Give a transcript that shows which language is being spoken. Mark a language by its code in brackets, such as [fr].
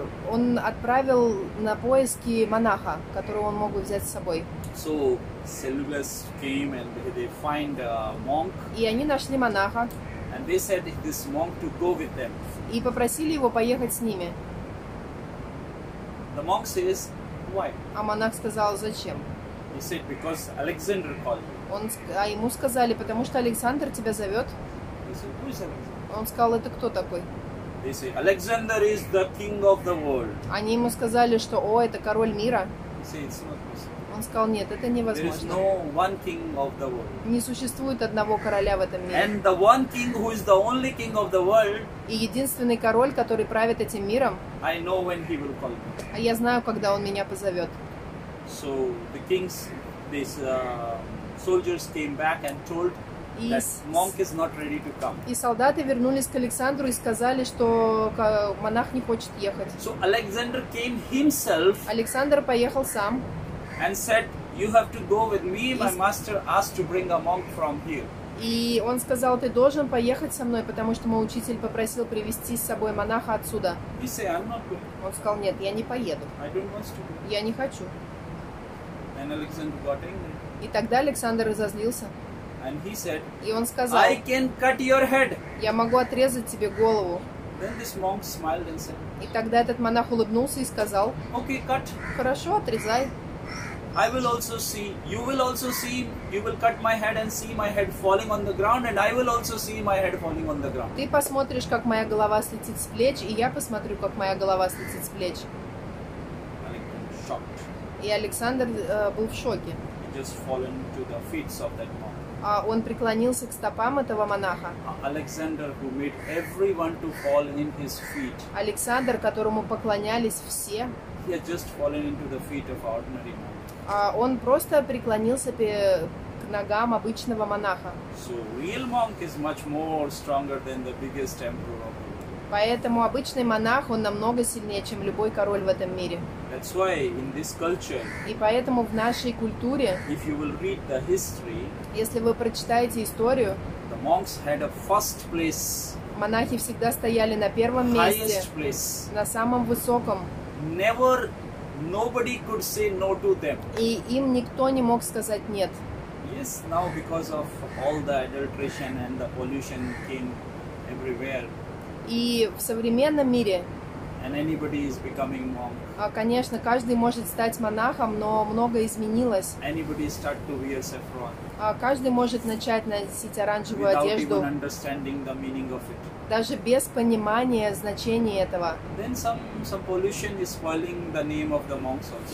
[ru] Он отправил на поиски монаха, которого он мог бы взять с собой. [en] So Cellulus came and they find a monk. [ru] И они нашли монаха. [en] And they said this monk to go with them. [ru] И попросили его поехать с ними. [en] The monk says, why? [ru] А монах сказал, зачем? [en] He said, because Alexander called you. [ru] Ему сказали, потому что Александр тебя зовет. [en] He said, who is Alexander? [ru] Он сказал, это кто такой? [en] They say, Alexander is the king of the world. [ru] Они ему сказали, что, о, это король мира. [en] He said, it's not possible. [ru] Он сказал, нет, это невозможно. [en] There is no one king of the world. [ru] Не существует одного короля в этом мире. [en] And the one king who is the only king of the world. [ru] И единственный король, который правит этим миром. [en] I know when he will call me. [ru] А я знаю, когда он меня позовет. [en] So the kings, these soldiers came back and told that monk is not ready to come. [ru] И солдаты вернулись к Александру и сказали, что монах не хочет ехать. [en] So Alexander came himself. [ru] Александр поехал сам. [en] And said, you have to go with me, my master asked to bring a monk from here. [ru] И он сказал, ты должен поехать со мной, потому что мой учитель попросил привести с собой монаха отсюда. [en] He said, I'm not going. [ru] Он сказал, нет, я не поеду. [en] I don't want to go. [ru] Я не хочу. [en] And Alexander got angry. [ru] И тогда Александр разозлился. [en] And he said, [ru] и он сказал, [en] I can cut your head. [ru] Я могу отрезать тебе голову. [en] Then this monk smiled and said, [ru] и тогда этот монах улыбнулся и сказал, [en] okay, cut. [ru] Хорошо, отрезай. [en] I will also see, you will also see, you will cut my head and see my head falling on the ground, and I will also see my head falling on the ground. [ru] Ты посмотришь, как моя голова слетит с плеч, и я посмотрю, как моя голова слетит с плеч. [en] Alexander shocked. [ru] И Александр был в шоке. [en] He just fallen to the feet of that monk. [ru] Он преклонился к стопам этого монаха. [en] Alexander, who made everyone to fall in his feet. [ru] Александр, которому поклонялись все. [en] He had just fallen into the feet of ordinary monk. [ru] Он просто преклонился к ногам обычного монаха. [en] So real monk is much more stronger than the biggest emperor of the world. [ru] Поэтому обычный монах, он намного сильнее, чем любой король в этом мире. [en] That's why in this culture, [ru] и поэтому в нашей культуре, [en] if you will read the history, [ru] если вы прочитаете историю, [en] the monks had a first place, [ru] монахи всегда стояли на первом [en] highest [ru] месте, [en] place, [ru] на самом высоком. [en] Never, nobody could say no to them. [ru] И им никто не мог сказать нет. [en] Yes, now because of all the adulteration and the pollution came everywhere. [ru] И в современном мире, [en] and anybody is becoming monk. [ru] Конечно, каждый может стать монахом, но многое изменилось. [en] Anybody start to wear saffron. [ru] Каждый может начать носить оранжевую [en] without [ru] одежду, [en] even understanding the meaning of it. [ru] Даже без понимания значения этого. [en] Then some pollution is spoiling the name of the monks also.